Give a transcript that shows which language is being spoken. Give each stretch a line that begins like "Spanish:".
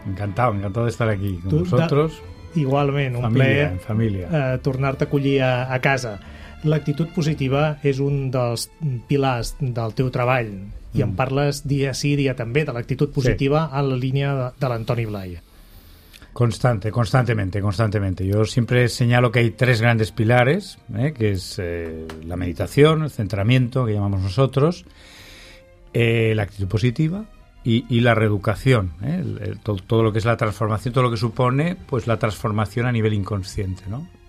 Spanish: Encantado, encantado de estar aquí con vosotros.
Catalan: Igualment, un plaer tornar-te a acollir a casa. L'actitud positiva és un dels pilars del teu treball i en parles dia sí, dia també, de l'actitud positiva sí. En la línia de l'Antoni Blai.
Spanish: Constantemente. Yo siempre señalo que hay tres grandes pilares, que es la meditación, el centramiento, que llamamos nosotros, la actitud positiva y la reeducación, todo lo que es la transformación, todo lo que supone pues la transformación a nivel inconsciente, ¿no?